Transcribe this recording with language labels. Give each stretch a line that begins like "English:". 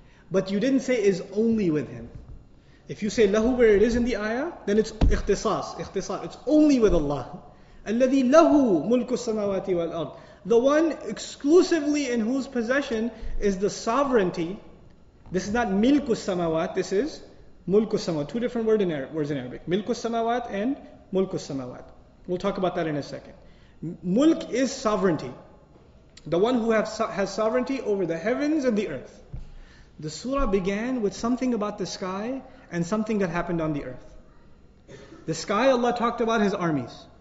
English: But you didn't say is only with Him. If you say لَهُ where it is in the ayah, then it's اختصاص, it's only with Allah.
Arabic: الَّذِي لَهُ مُلْكُ السَّمَاوَاتِ وَالْأَرْضِ.
English: The one exclusively in whose possession is the sovereignty. This is not
Arabic: مِلْكُ السَّمَاوَاتِ,
English: this is
Arabic: مُلْكُ السَّمَاوَاتِ.
English: Two different words in Arabic.
Arabic: مِلْكُ السَّمَاوَاتِ and مُلْكُ السَّمَاوَاتِ.
English: We'll talk about that in a second. Mulk is sovereignty. The one who has sovereignty over the heavens and the earth. The surah began with something about the sky and something that happened on the earth. The sky, Allah talked about His armies.